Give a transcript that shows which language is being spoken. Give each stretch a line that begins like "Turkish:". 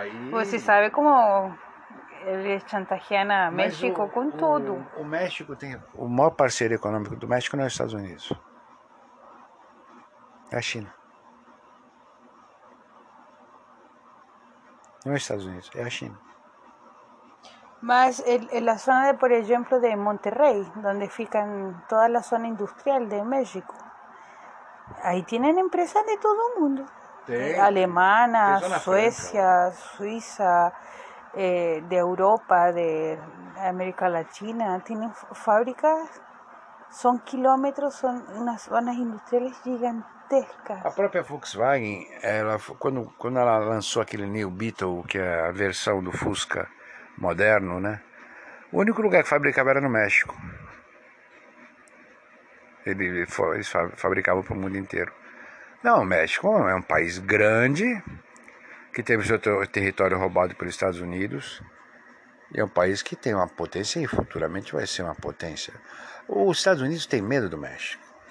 Portuguese: Você sabe como eles chantagean a México com tudo. O México tem... O maior parceiro econômico do México não é os Estados Unidos. É a China. Não é os Estados Unidos, é a China.
Spanish: Mas en la zona, por ejemplo, de Monterrey, donde fican toda la zona industrial de México, ahí tienen empresas de todo el mundo. Alemana, Suecia, Suiza, de Europa, de América Latina, tienen fábricas, son kilómetros, son unas zonas industriales gigantescas. La propia Volkswagen, cuando ella lanzó aquel New Beetle, que es la versión del Fusca, moderno, né?
Portuguese: O único lugar que fabricava era no México. Eles fabricavam para o mundo inteiro. Não, o México é um país grande, que teve seu território roubado pelos Estados Unidos, e é um país que tem uma potência e futuramente vai ser uma potência. Os Estados Unidos têm medo do México.